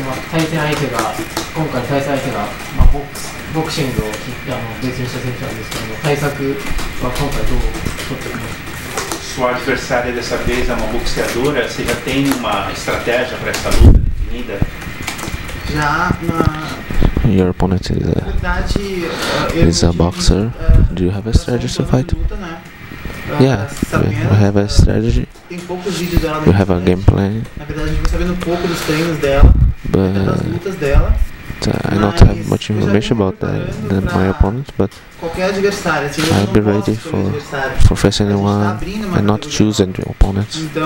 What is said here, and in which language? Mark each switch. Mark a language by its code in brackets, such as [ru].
[ja] 対戦相手が、今回対戦相手が、まあ、ボクシングを切って、あの、別にした選手なんですけども、対策は今回どう取っていきますか？ [pt] Sua adversária dessa vez é uma boxeadora. Você já tem uma estratégia para essa luta definida? Já, na. [en] Your opponent is a. Is a boxer. Do you have a strategy to fight? Yeah, we have a strategy. [pt] Tem poucos vídeos dela. [en] We have a game plan. [pt] Na verdade, a gente vai sabendo um pouco dos treinos dela, [en] but [pt] das lutas dela. [en] I don't have much information about the my opponent, but I'll be ready for face anyone and not choose any opponents.